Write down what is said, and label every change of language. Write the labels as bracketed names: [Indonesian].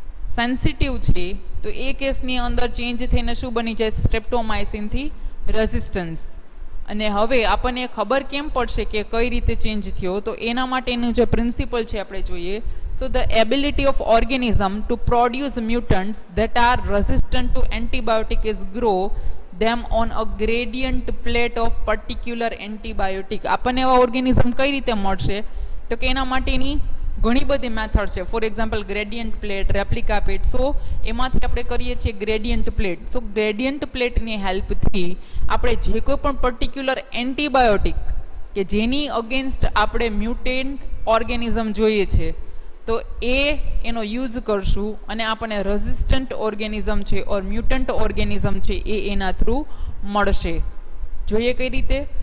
[Gujarati] Sensitive છે તો એ કેસની અંદર ચેન્જ થઈને શું બની જાય સ્ટ્રેપ્ટોમાઇસિનથી રેઝિસ્ટન્સ અને હવે આપણને ખબર કેમ પડશે કે કઈ રીતે ચેન્જ થયો તો એના માટેનું જે પ્રિન્સિપલ છે આપણે જોઈએ [English] So the ability of organism to produce mutants that are resistant to antibiotic is grow them on a gradient plate of particular antibiotic. [Gujarati] આપણને આવા ઓર્ગેનિઝમ કઈ રીતે મળશે? તો કે એના માટેની ઘણી બધી મેથડ છે. For example gradient plate, replica plate. સો એમાંથી આપણે કરીએ છીએ ગ્રેડિયન્ટ પ્લેટ. સો ગ્રેડિયન્ટ પ્લેટની હેલ્પથી આપણે જે કોઈ પણ પર્ટિક્યુલર એન્ટીબાયોટિક કે જેની અગેન્સ્ટ આપણે મ્યુટેન્ટ ઓર્ગેનિઝમ જોઈએ છે તો એનો યુઝ કરશું અને આપણે રેઝિસ્ટન્ટ ઓર્ગેનિઝમ છે ઓર મ્યુટન્ટ ઓર્ગેનિઝમ છે એના થ્રુ મળશે. જોઈએ કઈ રીતે?